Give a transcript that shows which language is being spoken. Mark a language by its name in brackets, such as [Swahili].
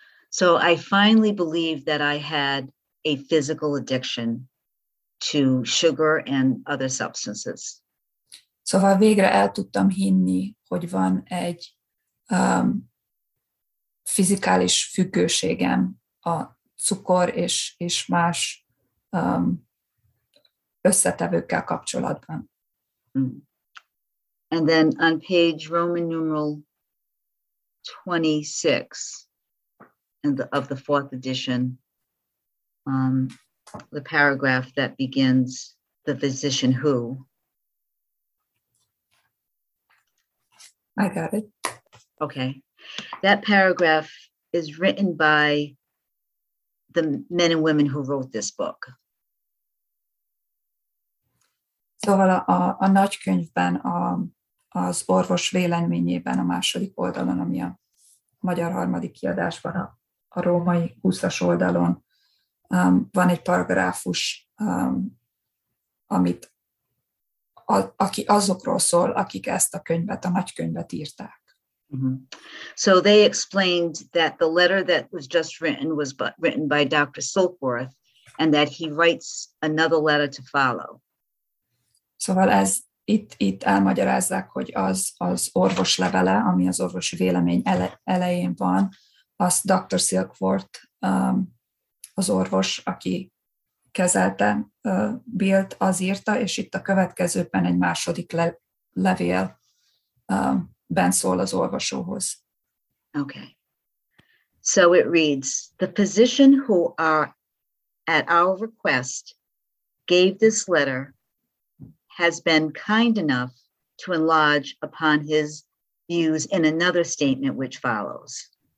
[English] So I finally believed that I had a physical addiction to sugar and other substances. [Hungarian] Szóval végre el tudtam hinni, hogy van egy fizikális függőségem a cukor és más összetevőkkel kapcsolatban. [English] And then on page Roman numeral 26 of the fourth edition, the paragraph that begins the physician who. I got it. Okay. That paragraph is written by the men and women who wrote this book. [Hungarian] Szóval a nagykönyvben, az orvos véleményében a második oldalon, ami a magyar harmadik kiadásban, a római 20-as oldalon van egy paragráfus, amit aki azokról szól, akik ezt a könyvet, a nagykönyvet írták. Mm-hmm. [English] So they explained that the letter that was just written was written by Dr. Silkworth, and that he writes another letter to follow. [Hungarian] Szóval ez itt elmagyarázzák, hogy az orvos levele, ami az orvosi vélemény elején van, az Dr. Silkworth, az orvos, aki kezelte Billt, az írta, és itt a következőben egy második levél ben szól az orvosóhoz. [English] Okay. So it reads, the physician who are at our request gave this letter has been kind enough to enlarge upon his views in another statement which follows.